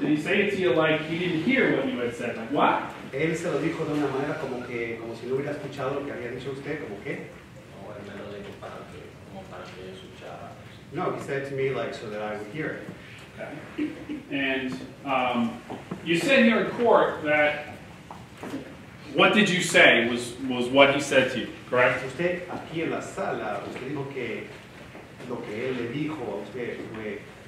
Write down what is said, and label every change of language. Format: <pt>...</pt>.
<en>Did he say it to you like he didn't hear what you had said? Like what?</en> <es>Él se lo dijo de una manera como que como si no hubiera escuchado lo que había dicho usted. Como qué? No, él me lo dijo para que como para que yo escuchara.</es> <en>No, he said it to me like so that I would hear it. Okay. And you said here in court that what did you say was what he said to you, correct?</en> <es>Usted aquí en la sala usted dijo que lo que él le dijo a usted fue.</es>